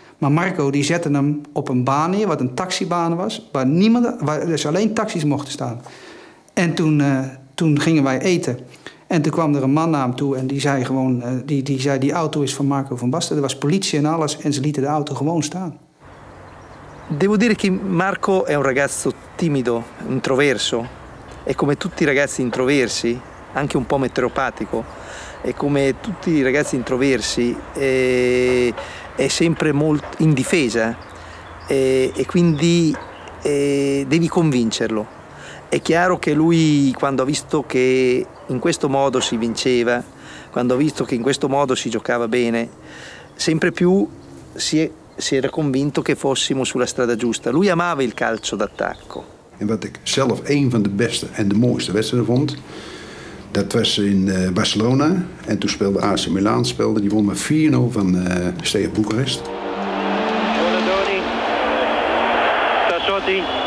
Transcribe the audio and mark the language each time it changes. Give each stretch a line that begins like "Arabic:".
Dutch: Maar Marco die zette hem op een baan neer, wat een taxibaan was, waar dus alleen taxis mochten staan. En toen gingen wij eten. En toen kwam er een man naar hem toe en die zei gewoon, die zei, die auto is van Marco Van Basten. Er was politie en alles en ze lieten de auto gewoon staan.
Italian: Devo dire che Marco è un ragazzo timido, introverso. E come tutti i ragazzi introversi, anche un po' meteoropatico. E come tutti i ragazzi introversi, è sempre molto in difesa e quindi devi convincerlo. È chiaro che lui, quando ha visto che in questo modo si vinceva, quando ha visto che in questo modo si giocava bene, sempre più si era convinto che fossimo sulla strada giusta. Lui amava il calcio d'attacco.
Dutch: E wat ik zelf een van de beste en de mooiste wedstrijden vond, dat was in Barcelona en toen speelde AC Milan, speelde die won met 4-0 van Steaua Bucharest. Bonadoni, Tassotti.